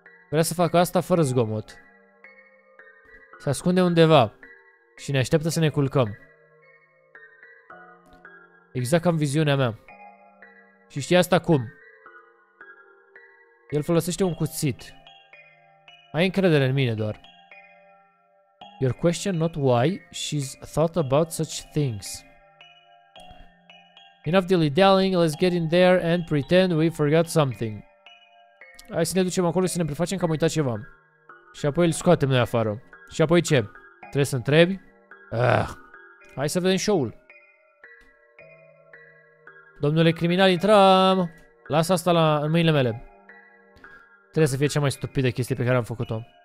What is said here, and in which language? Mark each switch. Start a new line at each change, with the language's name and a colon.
Romanian: Vrea să facă asta fără zgomot. Se ascunde undeva. Și ne așteaptă să ne culcăm. Exact ca în viziunea mea. Și știe asta cum. El folosește un cuțit. Ai încredere în mine doar.
English: Your question not why she's thought about such things. Enough dilly-dallying, let's get in there and pretend we forgot something.
Romanian: Hai să ne ducem acolo și să ne prefacem că am uitat ceva. Și apoi îl scoatem noi afară. Și apoi ce? Trebuie să întrebi? Hai să vedem show-ul. Domnule criminal, intrăm! Lasă asta în mâinile mele. Trebuie să fie cea mai stupidă chestie pe care am făcut-o.